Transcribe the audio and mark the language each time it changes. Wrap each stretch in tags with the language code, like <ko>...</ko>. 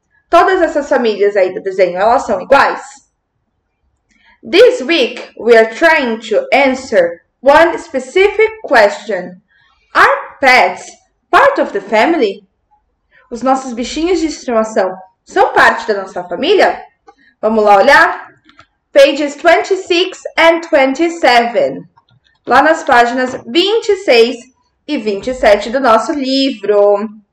<pt>Todas essas famílias aí do desenho, elas são iguais?</pt> <en>This week, we are trying to answer one specific question. Are pets part of the family?</en> <pt>Os nossos bichinhos de estimação são parte da nossa família? Vamos lá olhar?</pt> <en>Pages 26 and 27.</en> <pt>Lá nas páginas 26 e 27 do nosso livro.</pt>